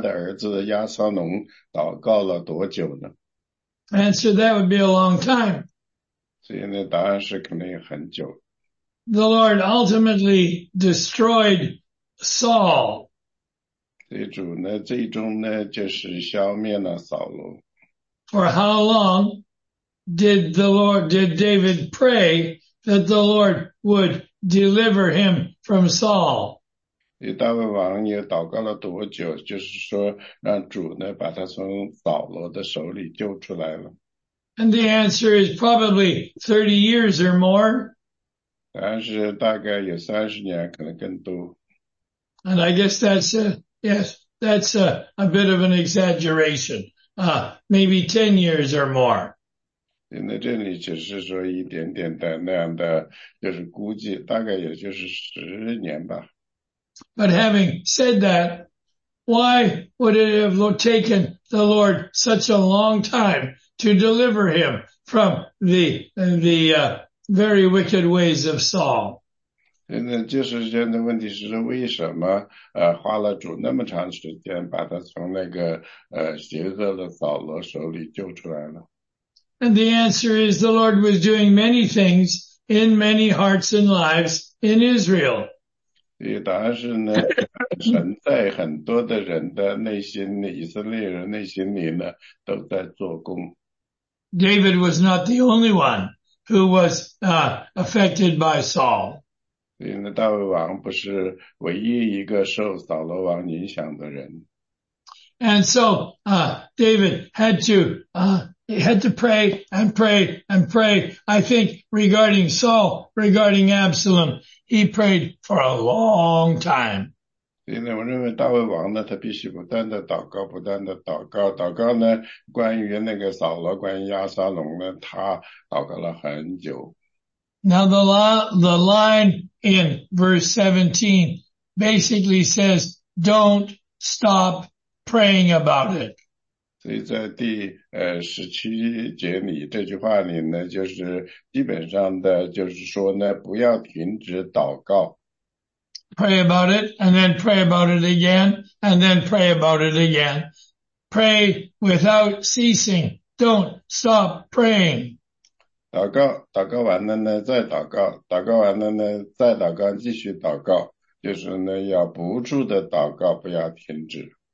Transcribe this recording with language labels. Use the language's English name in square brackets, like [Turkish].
[Chinese] 所以呢，问题是呢，他为他的儿子亚撒龙祷告了多久呢？ [English] Answer, that would be a long time. [Chinese] 所以呢，答案是肯定很久。 [English] The Lord ultimately destroyed Saul. [Chinese] 所以主呢，最终呢，就是消灭了扫罗。 [English] For how long did David pray that the Lord would deliver him from Saul? [Chinese] 你大卫王也祷告了多久？就是说，让主呢把他从扫罗的手里救出来了。 [English] And the answer is probably 30 years or more. [Chinese] 但是大概有30年，可能更多。 [English] And I guess that's a bit of an exaggeration. Maybe 10 years or more. [Chinese] 现在这里只是说一点点的那样的，就是估计，大概也就是10年吧。 [English] But having said that, why would it have taken the Lord such a long time to deliver him from the very wicked ways of Saul? [Chinese] 现在就是现在问题是为什么花了主那么长时间把他从那个邪恶的扫罗手里救出来呢？ [English] And the answer is the Lord was doing many things in many hearts and lives in Israel. [Chinese] 所以答案是呢，神在很多的人的内心里，以色列人内心里呢，都在做工。 [English] David was not the only one who was affected by Saul. [Chinese] 所以呢，大卫王不是唯一一个受扫罗王影响的人。 [English] And so David had to pray and pray and pray. I think regarding Saul, regarding Absalom, he prayed for a long time. [Chinese] 所以呢，我认为大卫王呢，他必须不断的祷告，不断的祷告，祷告呢，关于那个扫罗，关于亚撒龙呢，他祷告了很久。 [English] Now the line in verse 17 basically says, don't stop praying about it. [Chinese] 所以在第17节里这句话里呢，就是基本上的，就是说呢，不要停止祷告。 [English] Pray about it and then pray about it again and then pray about it again. Pray without ceasing. Don't stop praying. [Chinese] 祷告，祷告完了呢，再祷告，祷告完了呢，再祷告，继续祷告，就是呢，要不住的祷告，不要停止。